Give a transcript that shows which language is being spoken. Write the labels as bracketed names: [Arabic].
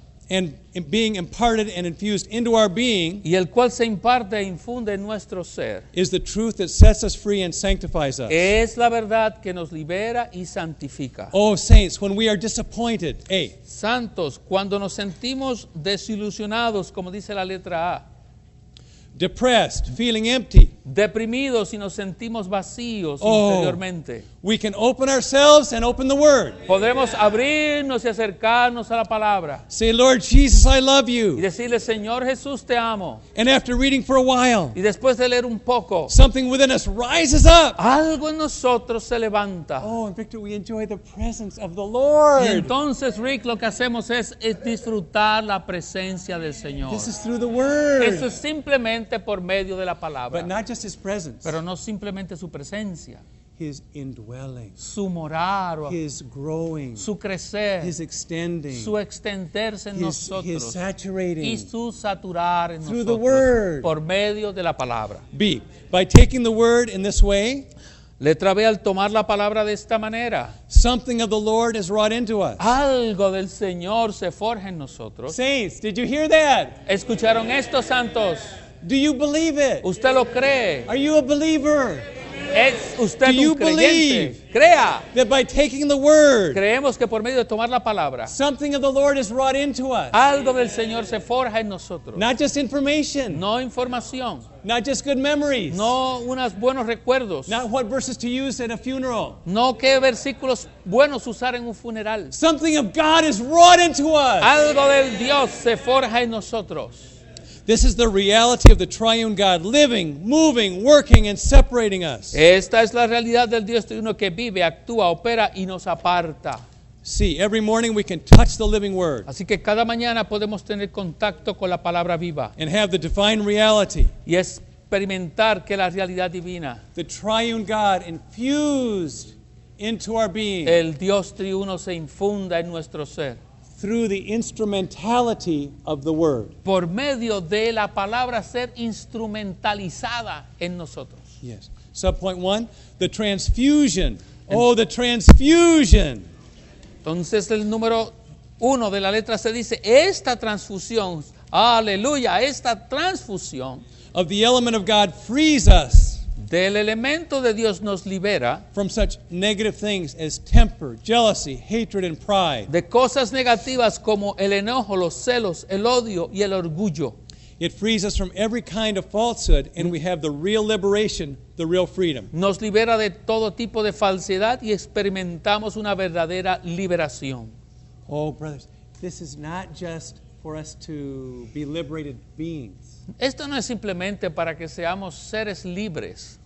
[English] And being imparted and infused into our being, [Spanish] y el cual se imparte e infunde en nuestro ser, [English] is the truth that sets us free and sanctifies us. [Spanish] Es la verdad que nos libera y santifica. [English] Oh, saints, when we are disappointed, A. [Spanish] Santos, cuando nos sentimos desilusionados, como dice la letra A. [English] Depressed, feeling empty. [Spanish] Deprimidos y nos sentimos vacíos interiormente. [English] We can open ourselves and open the word. [Spanish] Podremos abrirnos y acercarnos a la palabra. [English] Say, Lord Jesus, I love you. [Spanish] Y decirle, Señor Jesús, te amo. [English] And after reading for a while, [Spanish] y después de leer un poco, [English] something within us rises up. [Spanish] Algo en nosotros se levanta. [English] Oh, and Victor, we enjoy the presence of the Lord. [Spanish] Y entonces, Rick, lo que hacemos es disfrutar la presencia del Señor. [English] This is through the word. [Spanish] Eso es simplemente por medio de la palabra. [English] But not just his presence. [Spanish] Pero no simplemente su presencia. [English] His indwelling, [Spanish] su morar, [English] his growing, [Spanish] su crecer, [English] his extending, [Spanish] su extenderse en nosotros, [English] his saturating, [Spanish] y su saturar en [English] through [Spanish] nosotros, [English] the word, [Spanish] por medio de la palabra. [English] B, by taking the word in this way, [Spanish] letra B, al tomar la palabra de esta manera, [English] something of the Lord is wrought into us. [Spanish] Algo del Señor se forja en nosotros. [English] Saints, did you hear that? [Spanish] ¿Escucharon esto, santos? [English] Do you believe it? [Spanish] ¿Usted lo cree? [English] Are you a believer? [Spanish] ¿Es usted [English] Do you [Spanish] un [English] believe [Spanish] crea [English] that by taking the word, [Spanish] creemos que por medio de tomar la palabra, [English] something of the Lord is wrought into us? [Spanish] Algo del Señor se forja en nosotros. [English] Not just information. [Spanish] No información. [English] Not just good memories. [Spanish] No unos buenos recuerdos. [English] Not what verses to use in a funeral. [Spanish] No qué versículos buenos usar en un funeral. [English] Something of God is wrought into us. [Spanish] Algo del Dios se forja en nosotros. [English] This is the reality of the triune God living, moving, working, and separating us. [Spanish] Esta es la realidad del Dios triuno que vive, actúa, opera y nos aparta. [English] See, every morning we can touch the living word. [Spanish] Así que cada mañana podemos tener contacto con la palabra viva. [English] And have the divine reality. [Spanish] Y experimentar que la realidad divina. [English] The triune God infused into our being. [Spanish] El Dios triuno se infunda en nuestro ser. [English] Through the instrumentality of the word. [Spanish] Por medio de la palabra ser instrumentalizada en nosotros. [English] Yes. Subpoint one, the transfusion. Oh, the transfusion. [Spanish] Entonces el número uno de la letra se dice, esta transfusión, aleluya, esta transfusión. [English] Of the element of God frees us. [Spanish] Del elemento de Dios nos libera [English] from such negative things as temper, jealousy, hatred, and pride. [Spanish] De cosas negativas como el enojo, los celos, el odio y el orgullo. [English] It frees us from every kind of falsehood, and we have the real liberation, the real freedom. [Spanish] Nos libera de todo tipo de falsedad y experimentamos una verdadera liberación. [English] Oh, brothers, this is not just for us to be liberated beings. [Spanish] Esto no es simplemente para que seamos seres libres.